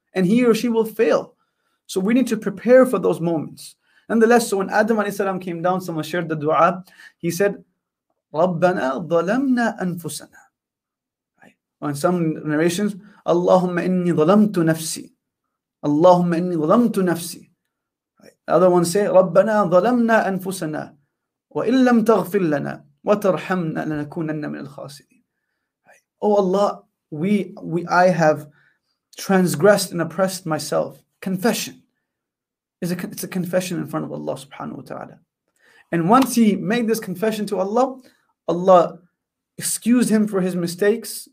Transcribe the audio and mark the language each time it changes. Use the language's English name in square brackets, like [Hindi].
[English] And he or she will fail. So we need to prepare for those moments. Nonetheless, so when Adam alayhi salam came down, someone shared the dua, he said, [Arabic] رَبَّنَا ظَلَمْنَا أَنفُسَنَا. [English] Right. Or in some narrations, [Arabic] اللَّهُمَّ إِنِّي ظَلَمْتُ نَفْسِي. اللَّهُمَّ إِنِّي ظَلَمْتُ نَفْسِي. [English] Other ones say, [Arabic] رَبَّنَا ظَلَمْنَا أَنفُسَنَا وَإِن لَمْ تَغْفِرْ لَنَا وَتَرْحَمْنَا لَنَكُونَنَّ مِنَ الْخَاسِرِينَ. [English] Oh Allah, I have transgressed and oppressed myself. Confession. It's a confession in front of Allah subhanahu wa ta'ala. And once he made this confession to Allah, Allah excused him for his mistakes.